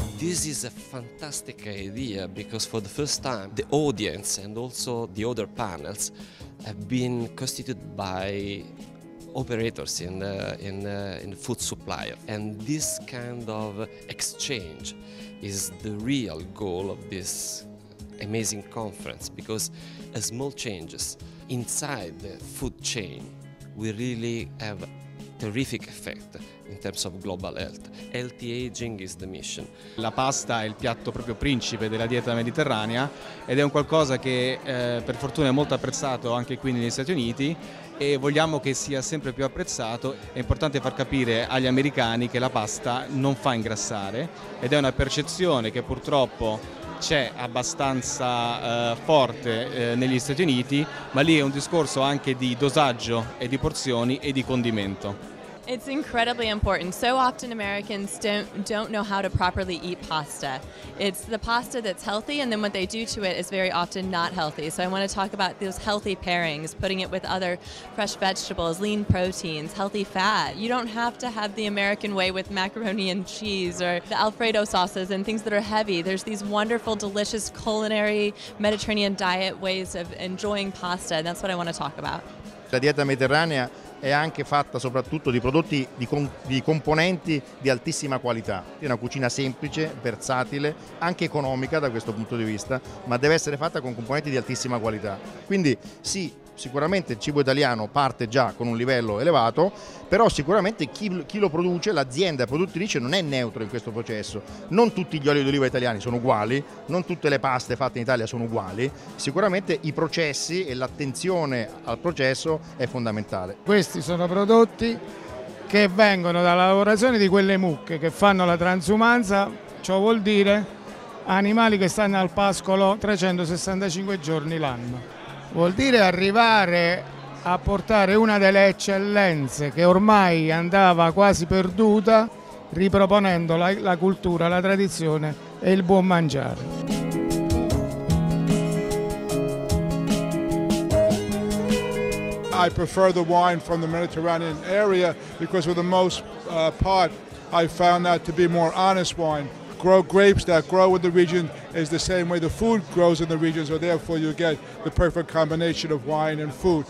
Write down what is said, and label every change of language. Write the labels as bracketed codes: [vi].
[en] This is a fantastic idea because for the first time the audience and also the other panels have been constituted by operators in food supply, and this kind of exchange is the real goal of this amazing conference, because small changes inside the food chain will really have terrific effect in terms of global health. Healthy aging is the mission. [it] La pasta è il piatto proprio principe della dieta mediterranea ed è un qualcosa che per fortuna è molto apprezzato anche qui negli Stati Uniti, e vogliamo che sia sempre più apprezzato. È importante far capire agli americani che la pasta non fa ingrassare, ed è una percezione che purtroppo c'è abbastanza forte negli Stati Uniti, ma lì è un discorso anche di dosaggio e di porzioni e di condimento. [en] It's incredibly important. So often Americans don't know how to properly eat pasta. It's the pasta that's healthy, and then what they do to it is very often not healthy. So I want to talk about those healthy pairings, putting it with other fresh vegetables, lean proteins, healthy fat. You don't have to have the American way with macaroni and cheese or the Alfredo sauces and things that are heavy. There's these wonderful, delicious culinary Mediterranean diet ways of enjoying pasta, and that's what I want to talk about. [it] La dieta mediterranea è anche fatta soprattutto di prodotti, di componenti di altissima qualità. È una cucina semplice, versatile, anche economica da questo punto di vista, ma deve essere fatta con componenti di altissima qualità. Quindi sì, sicuramente il cibo italiano parte già con un livello elevato, però sicuramente chi lo produce, l'azienda produttrice, non è neutro in questo processo. Non tutti gli oli d'oliva italiani sono uguali, non tutte le paste fatte in Italia sono uguali. Sicuramente i processi e l'attenzione al processo è fondamentale. Questi sono prodotti che vengono dalla lavorazione di quelle mucche che fanno la transumanza, ciò vuol dire animali che stanno al pascolo 365 giorni l'anno. Vuol dire arrivare a portare una delle eccellenze che ormai andava quasi perduta, riproponendo la cultura, la tradizione e il buon mangiare. [en] I prefer the wine from the Mediterranean area because for the most part I found that to be more honest wine. Grow grapes that grow in the region is the same way the food grows in the region, so therefore you get the perfect combination of wine and food.